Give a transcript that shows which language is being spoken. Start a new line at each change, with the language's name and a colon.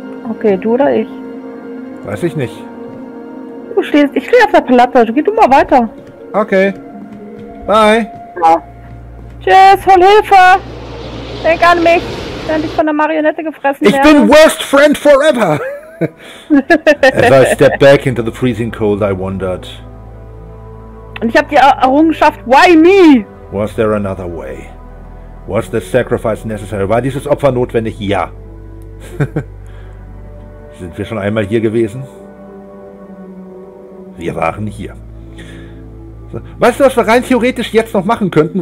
German: Okay, du oder ich? Weiß ich nicht. Ich stehe auf der Platte. Geh du mal weiter. Okay. Bye. Ja. Tschüss, hol Hilfe. Denk an mich. Ich werde dich von der Marionette gefressen. Ich bin
English: worst friend forever. As I step back into the freezing cold, I wondered.
German: Und ich habe die Errungenschaft,
English: why me? Was there another way? Was the sacrifice necessary?
German: War dieses Opfer notwendig? Ja. Sind wir schon einmal hier gewesen? Wir waren hier. So. Weißt du, was wir rein theoretisch jetzt noch machen könnten?